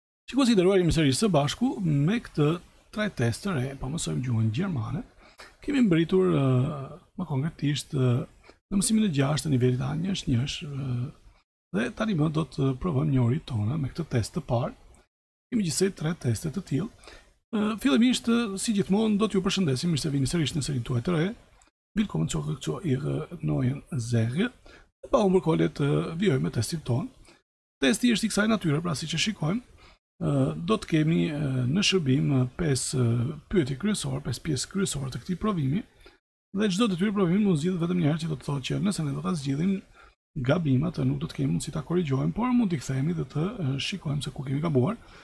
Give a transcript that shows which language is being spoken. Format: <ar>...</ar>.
<sq>Që konsideruar emisari së bashku me këtë tre tester e pa mësojmë gjuhën gjermane, kemi mbëritur më konkretisht në mësimin e 6 të nivelit A1-1 dhe tani më do të provojmë njohurit tona me këtë test të parë. Kemi gjithsej tre teste të tillë. Fillimisht, si gjithmonë, do t'ju përshëndesim mirë se vini sërish në serinë tuaj të re.</sq> <de>Willkommen zurück zu Ihrer neuen Serie.</de> <sq>Dhe pa humbur kohë le të vijojmë me testin tonë. Testi është i kësaj natyre, pra siç e shikojmë. Do të kemi në shërbim 5 pyetje kryesore, 5 pjesë kryesore të këtij provimi. Dhe çdo detyrë provimi mund zgjidhet vetëm një herë, që do të thotë që nëse ne do ta zgjidhim gabimat, nuk do të kemi mundësi ta korrigjojmë, por mund t'i kthehemi dhe të shikojmë se ku kemi gabuar.</sq>